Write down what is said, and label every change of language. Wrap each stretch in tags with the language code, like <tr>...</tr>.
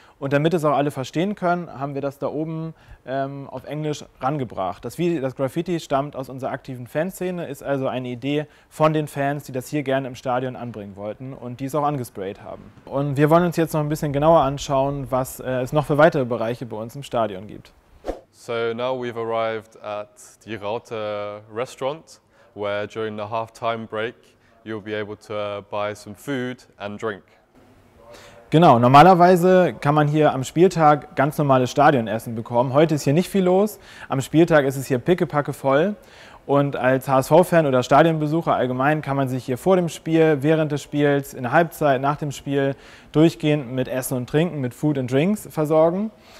<de>Und damit es auch alle verstehen können, haben wir das da oben auf Englisch rangebracht. Das Graffiti stammt aus unserer aktiven Fanszene, ist also eine Idee von den Fans, die das hier gerne im Stadion anbringen wollten und die es auch angesprayt haben. Und wir wollen uns jetzt noch ein bisschen genauer anschauen, was es noch für weitere Bereiche bei uns im Stadion gibt.</de> <en>So now we've arrived at the Raute Restaurant, where during the halftime break you'll be able to buy some food and drink.</en> <de>Genau, normalerweise kann man hier am Spieltag ganz normales Stadionessen bekommen. Heute ist hier nicht viel los, am Spieltag ist es hier pickepacke voll. Und als HSV-Fan oder Stadionbesucher allgemein kann man sich hier vor dem Spiel, während des Spiels, in der Halbzeit, nach dem Spiel durchgehend mit Essen und Trinken, mit</de> <en>Food and Drinks</en> <de>versorgen.</de>